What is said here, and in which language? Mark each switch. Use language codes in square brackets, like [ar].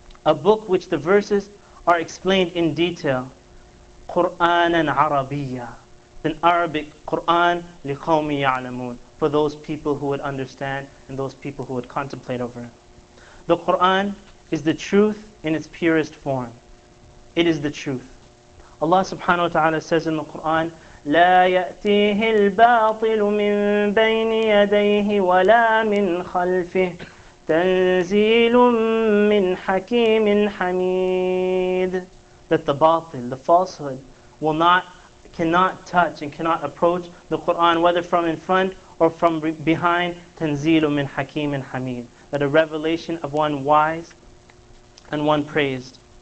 [en] A book which the verses are explained in detail. [ar] قُرْآنًا عَرَبِيًّا. [en] An Arabic Qur'an [ar] لِقَوْمِ يَعْلَمُونَ. [en] For those people who would understand and those people who would contemplate over it. The Qur'an is the truth in its purest form. It is the truth. Allah subhanahu wa ta'ala says in the Qur'an, [ar] لَا يَأْتِيهِ الْبَاطِلُ مِن بَيْنِ يَدَيْهِ وَلَا مِنْ خَلْفِهِ تَنْزِيلٌ مِّنْ حَكِيمٍ حَمِيدٍ. [en] That the batil, the falsehood, will not, cannot touch and cannot approach the Qur'an, whether from in front or from behind, [ar] تَنْزِيلٌ مِّنْ حَكِيمٍ حَمِيدٍ. [en] That a revelation of one wise and one praised.